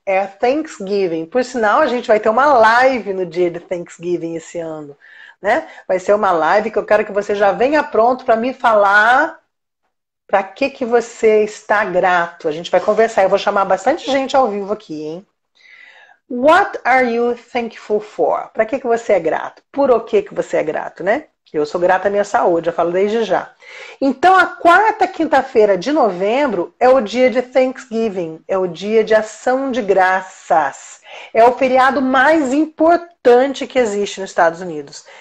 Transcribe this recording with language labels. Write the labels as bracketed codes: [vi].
[pt] É Thanksgiving. Por sinal, a gente vai ter uma live no dia de Thanksgiving esse ano, né? Vai ser uma live que eu quero que você já venha pronto para me falar para que você está grato. A gente vai conversar. Eu vou chamar bastante gente ao vivo aqui, hein? [en] What are you thankful for? [pt] Para que você é grato? Por o que você é grato, né? Eu sou grata à minha saúde, eu falo desde já. Então, a quarta quinta-feira de novembro é o dia de Thanksgiving, é o dia de ação de graças. É o feriado mais importante que existe nos Estados Unidos.